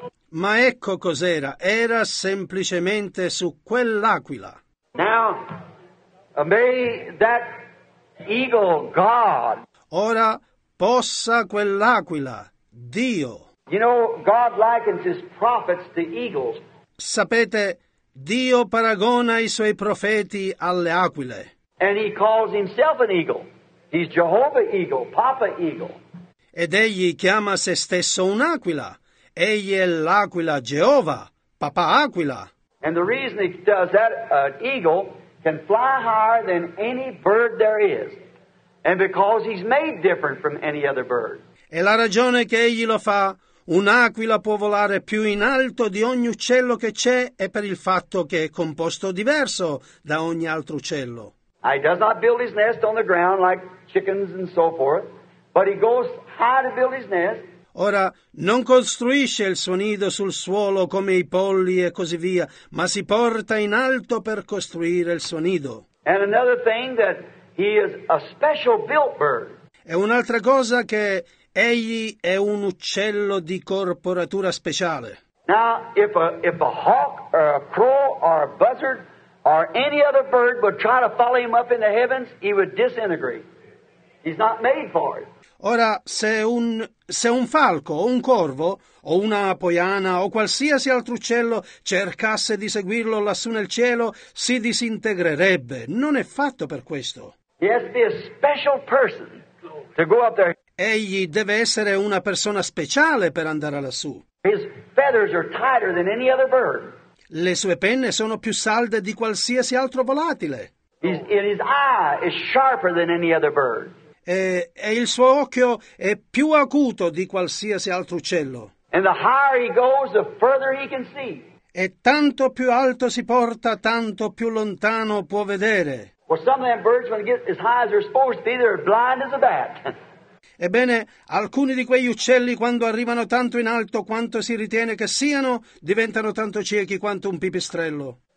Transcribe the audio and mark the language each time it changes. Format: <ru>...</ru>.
<it>Ma ecco cos'era, era semplicemente su quell'aquila.</it> <en>Now, may that eagle God.</en> <it>Ora possa quell'aquila, Dio.</it> <en>You know, God likens his prophets to eagles.</en> <it>Sapete, Dio paragona i suoi profeti alle aquile.</it> <en>And he calls himself an eagle. He's Jehovah Eagle, Papa Eagle.</en> <it>Ed egli chiama se stesso un'aquila. Egli è l'aquila Geova, papà aquila.</it> <en>And the reason he does that, an eagle can fly higher than any bird there is. And because he's made different from any other bird.</en> <it>E la ragione che egli lo fa, un'aquila può volare più in alto di ogni uccello che c'è è per il fatto che è composto diverso da ogni altro uccello.</it> <en>He does not build his nest on the ground like chickens and so forth, but he goes high to build his nest.</en> <it>Ora, non costruisce il suo nido sul suolo come i polli e così via, ma si porta in alto per costruire il suo nido.</it> <en>And another thing that he is a special built bird.</en> <it>È un'altra cosa che egli è un uccello di corporatura speciale.</it> <en>Now, if a hawk or a crow or a buzzard or any other bird would try to follow him up in the heavens, he would disintegrate. He's not made for it.</en> <it>Ora, se un falco o un corvo o una poiana o qualsiasi altro uccello cercasse di seguirlo lassù nel cielo, si disintegrerebbe. Non è fatto per questo.</it> <en>He has to be a special person to go up there.</en> <it>Egli deve essere una persona speciale per andare lassù.</it> <en>His feathers are tighter than any other bird.</en> <it>Le sue penne sono più salde di qualsiasi altro volatile.</it> <en>His eye is sharper than any other bird.</en> <it>E il suo occhio è più acuto di qualsiasi altro uccello.</it> <en>And the higher he goes, the further he can see.</en> <it>E tanto più alto si porta, tanto più lontano può vedere.</it> <en>Well, some of them birds, when they get as high as they're supposed to be, they're blind as a bat.</en> <it>Ebbene, alcuni di quegli uccelli, quando arrivano tanto in alto quanto si ritiene che siano, diventano tanto ciechi quanto un pipistrello.</it>